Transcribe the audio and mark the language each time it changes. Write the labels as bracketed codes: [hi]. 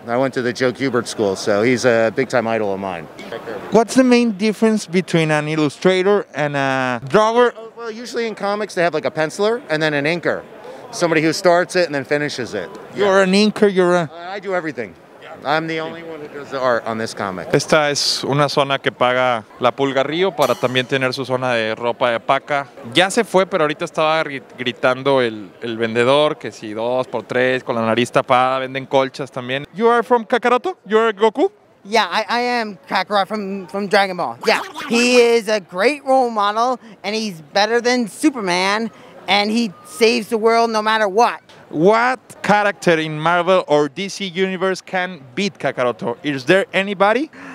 [en] I went to the Joe Kubert school, so he's a big time idol of mine. What's the main difference between an illustrator and a drawer? Well, usually in comics they have like a penciler and then an inker. Somebody who starts it and then finishes it. You're an inker, you're a... I do everything. I'm the only one who does the art on this comic. [es] Esta es una zona que paga la Pulga Río para también tener su zona de ropa de paca. Ya se fue, pero ahorita estaba gritando el vendedor que si dos por tres con la nariz tapada venden colchas también. [en] You are from Kakaroto? You are Goku? Yeah, I am Kakarot from Dragon Ball. Yeah, he is a great role model, and he's better than Superman, and he saves the world no matter what. What character in Marvel or DC Universe can beat Kakaroto? Is there anybody?